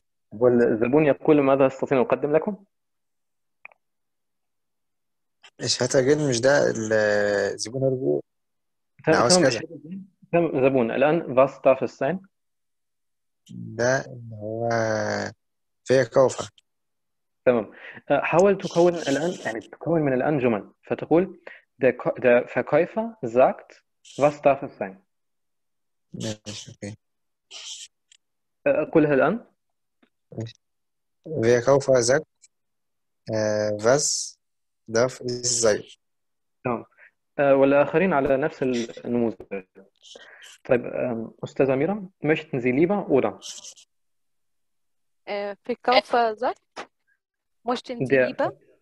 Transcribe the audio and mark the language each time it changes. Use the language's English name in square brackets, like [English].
[Arabic] والزبون يقول ماذا استطيع ان اقدم لكم؟ ايش هتا جن مش ده الزبون هو تمام زبون الان [German] was darf es sein [Arabic] ده هو verkaufer. تمام حاول تكون الان يعني تكون من الان جمل فتقول [German] der verkäufer sagt was darf es sein. [Arabic] ماشي اوكي قولها الان [German] verkaufer sagt was darf es sein. [Arabic] تمام والآخرين على نفس النموذج. طيب أستاذة [German] أميرة möchten Sie lieber oder Verkäufer sagt möchten Sie lieber